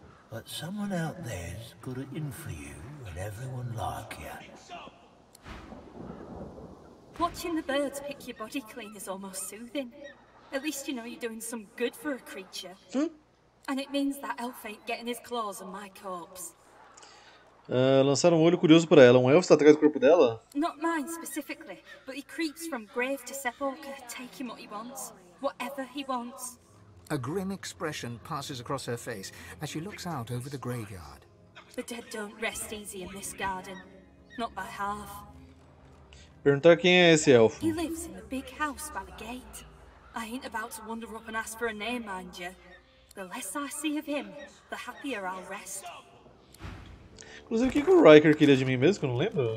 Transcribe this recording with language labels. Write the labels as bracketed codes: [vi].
[en] But someone out there's got an in for you. Everyone like you. Watching the birds pick your body clean is almost soothing. At least you know you're doing some good for a creature. And it means that elf ain't getting his claws on my corpse. [pt] Lançaram um olho curioso para ela. Um elfo está atrás do corpo dela? [en] Not mine specifically, but he creeps from grave to sepulchre, taking what he wants, whatever he wants. A grim expression passes across her face as she looks out over the graveyard. The dead don't rest easy in this garden, not by half. [pt] Perguntar quem é esse elfo. [en] He lives in a big house by the gate. I ain't about to wander up and ask for a name, mind you. The less I see of him, the happier I'll rest. [pt] Inclusive, o que o Riker queria de mim mesmo, que eu não lembro?